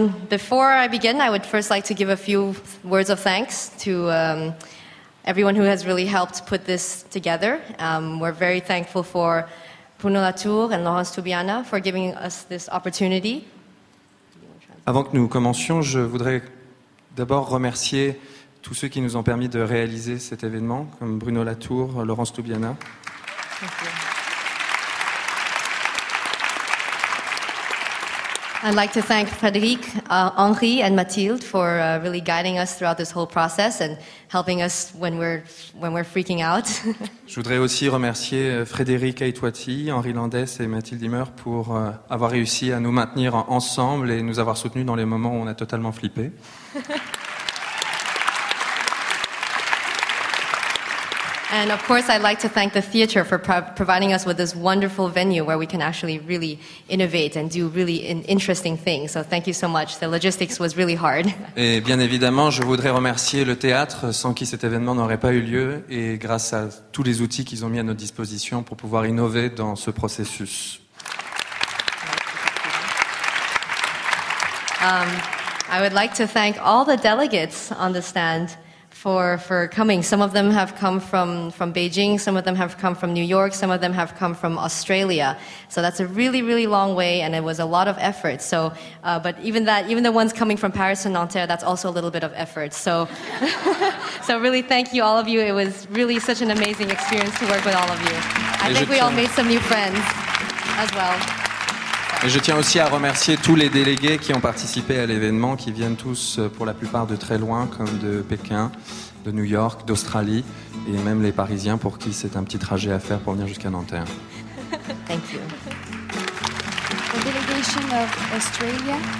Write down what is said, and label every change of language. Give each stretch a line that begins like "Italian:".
English: Before I begin, I would first like to give a few words of thanks to everyone who has really helped put this together. We're very thankful for Bruno Latour and Laurence Toubiana for giving us this opportunity.
French: Avant que nous commencions, je voudrais d'abord remercier tous ceux qui nous ont permis de réaliser cet événement, comme Bruno Latour, Laurence Toubiana.
English: I'd like to thank Frédéric, Henri and Mathilde for really guiding us throughout this whole process and helping us when we're freaking out.
French: Je voudrais aussi remercier Frédéric Aitwati, Henri Landès et Mathilde Dimmer pour avoir réussi à nous maintenir ensemble et nous avoir soutenus dans les moments où on a totalement flippé.
English: And of course, I'd like to thank the theater for providing us with this wonderful venue where we can actually really innovate and do really interesting things. So thank you so much. The logistics was really hard.
French: Et bien évidemment, je voudrais remercier le théâtre sans qui cet événement n'aurait pas eu lieu et grâce à tous les outils qu'ils ont mis à notre disposition pour pouvoir innover dans ce processus.
English: I would like to thank all the delegates on the stand for coming. Some of them have come from Beijing, some of them have come from New York, some of them have come from Australia. So that's a really, really long way and it was a lot of effort. So, but even the ones coming from Paris and Nanterre, that's also a little bit of effort. So, so really thank you all of you. It was really such an amazing experience to work with all of you. I think we all made some new friends as well.
French: Et je tiens aussi à remercier tous les délégués qui ont participé à l'événement, qui viennent tous pour la plupart de très loin, comme de Pékin, de New York, d'Australie, et même les Parisiens pour qui c'est un petit trajet à faire pour venir jusqu'à Nanterre.
English: Thank you. The delegation of Australia.